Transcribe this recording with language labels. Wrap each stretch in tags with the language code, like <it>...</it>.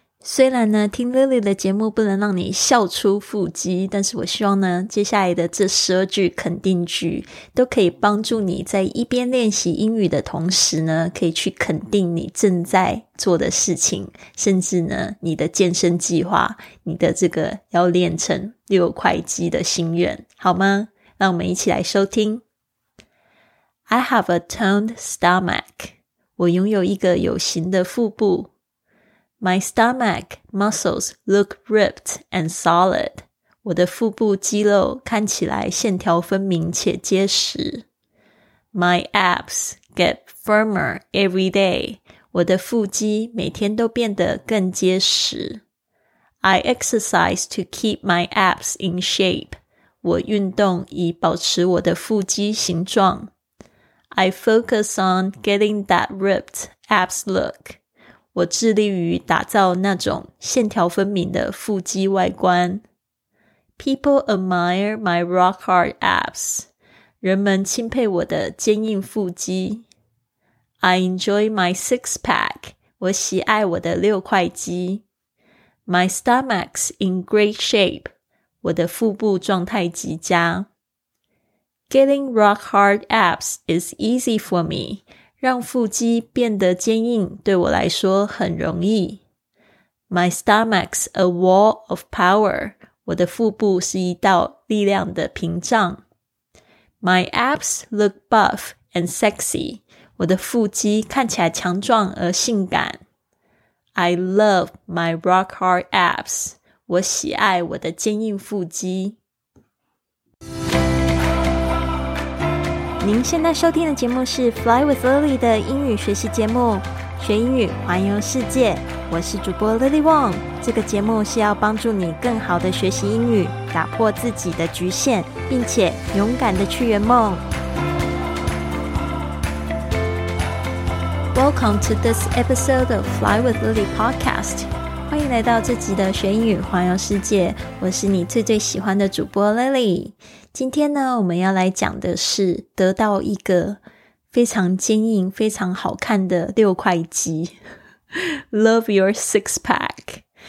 <zh>虽然呢，听 Lily 的节目不能让你笑出腹肌，但是我希望呢，接下来的这12句肯定句都可以帮助你在一边练习英语的同时呢，可以去肯定你正在做的事情，甚至呢，你的健身计划，你的这个要练成六块肌的心愿，好吗？让我们一起来收听。</zh> <en>I have a toned stomach.</en> <zh>我拥有一个有型的腹部。</zh> <en>My stomach muscles look ripped and solid.</en> <zh>我的腹部肌肉看起来线条分明且结实。</zh> <en>My abs get firmer every day.</en> <zh>我的腹肌每天都变得更结实。</zh> <en>I exercise to keep my abs in shape.</en> <zh>我运动以保持我的腹肌形状。</zh> <en>I focus on getting that ripped abs look.</en> <zh>我致力于打造那种线条分明的腹肌外观。</zh> <en>People admire my rock hard abs.</en> <zh>人们钦佩我的坚硬腹肌。</zh> <en>I enjoy my six pack.</en> <zh>我喜爱我的六块肌。</zh> <en>My stomach's in great shape.</en> <zh>我的腹部状态极佳。</zh> <en>Getting rock hard abs is easy for me.</en> <zh>让腹肌变得坚硬对我来说很容易。</zh> <en>My stomach's a wall of power.</en> <zh>我的腹部是一道力量的屏障。</zh> <en>My abs look buff and sexy.</en> <zh>我的腹肌看起来强壮而性感。</zh> <en>I love my rock hard abs.</en> <zh>我喜爱我的坚硬腹肌。您现在收听的节目是 Fly with Lily 的英语学习节目，学英语环游世界。我是主播 Lily Wong。这个节目是要帮助你更好的学习英语，打破自己的局限，并且勇敢的去圆梦。</zh> <en>Welcome to this episode of Fly with Lily podcast.</en> <zh>欢迎来到这集的学英语环游世界，我是你最喜欢的主播 Lily。今天呢，我们要来讲的是得到一个非常坚硬、非常好看的六块肌。</zh> <en>Love your six pack.</en>